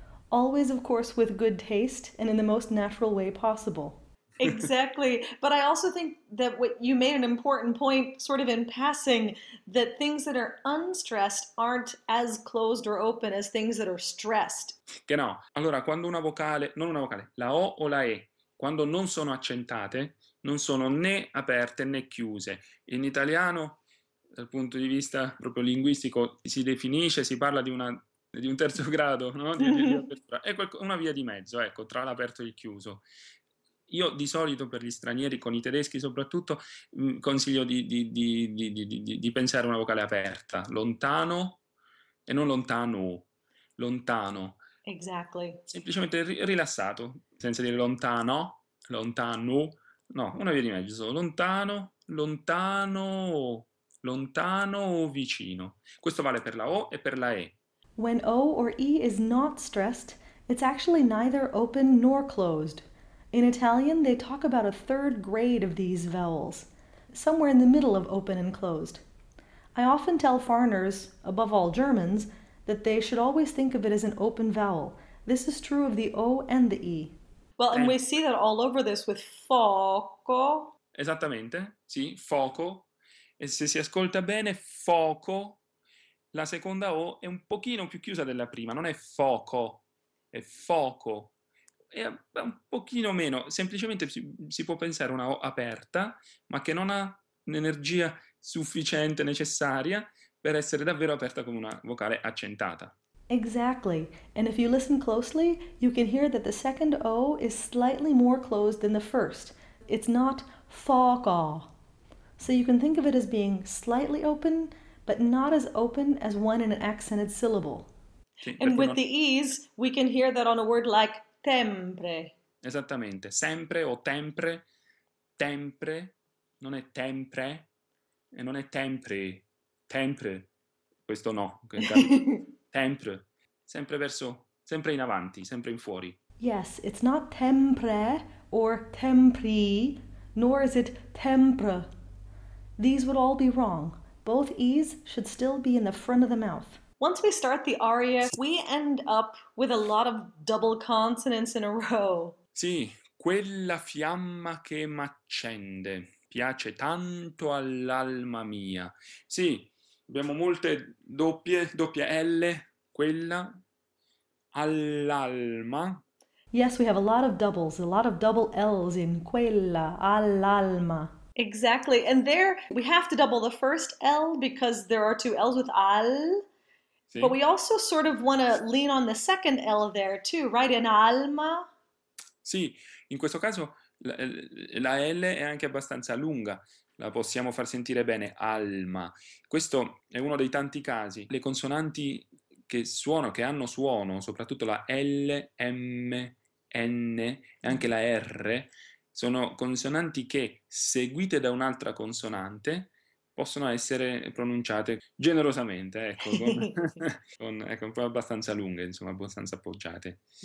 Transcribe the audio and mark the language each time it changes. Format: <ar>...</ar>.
<en>Always, of course, with good taste and in the most natural way possible. Exactly. But I also think that what you made an important point, sort of in passing, that things that are unstressed aren't as closed or open as things that are stressed.</en> <it>Che no. Allora, quando una vocale, non una vocale, la O o la E, quando non sono accentate, non sono né aperte né chiuse. In italiano, dal punto di vista proprio linguistico, si definisce, si parla di un terzo grado, no? Di apertura. È una via di mezzo, ecco, tra l'aperto e il chiuso. Io di solito per gli stranieri, con i tedeschi soprattutto, consiglio di pensare a una vocale aperta. Lontano e non lontano, lontano.</it> <en>Exactly.</en> <it>Semplicemente rilassato, senza dire lontano, lontano, no, una via di mezzo, lontano, lontano, lontano o vicino. Questo vale per la O e per la E.</it> <en>When O or E is not stressed, it's actually neither open nor closed. In Italian, they talk about a third grade of these vowels, somewhere in the middle of open and closed. I often tell foreigners, above all Germans, that they should always think of it as an open vowel. This is true of the O and the E. Well, and we see that all over this with foco.</en> <it>Esattamente, sì, foco. E se si ascolta bene, foco La seconda O è un pochino più chiusa della prima, non è foco, è foco. È un pochino meno, semplicemente si può pensare a una O aperta, ma che non ha l'energia sufficiente, necessaria, per essere davvero aperta come una vocale accentata.</it> <en>Exactly. And if you listen closely, you can hear that the second O is slightly more closed than the first. It's not fog-aw. So you can think of it as being slightly open, but not as open as one in an accented syllable.</en> <it>Sì,</it> <en>And</en> <it>perché</it> <en>with</en> <it>non.</it> <en>the E's, we can hear that on a word like tempre.</en> <it>Esattamente, sempre o tempre, tempre, non è tempre, e non è tempri, tempre, questo no, in caso, tempre, sempre verso, sempre in avanti, sempre in fuori.</it> <en>Yes, it's not tempre or tempri, nor is it tempre. These would all be wrong. Both E's should still be in the front of the mouth. Once we start the aria, we end up with a lot of double consonants in a row.</en> <it>Sì, quella fiamma che m'accende piace tanto all'alma mia. Sì, abbiamo molte doppie, doppia L, quella all'alma.</it> <en>Yes, we have a lot of doubles, a lot of double L's in</en> <it>quella, all'alma.</it> <en>Exactly. And there we have to double the first L because there are two L's with al, but</en> <it>Sì.</it> <en>we also sort of want to lean on the second L there too, right?</en> <it>In alma. Sì, in questo caso la L è anche abbastanza lunga, la possiamo far sentire bene, alma. Questo è uno dei tanti casi. Le consonanti che suono, che hanno suono, soprattutto la L, M, N e anche la R, sono consonanti che, seguite da un'altra consonante, possono essere pronunciate generosamente, ecco, ecco, un po' abbastanza lunghe, insomma, abbastanza appoggiate.</it>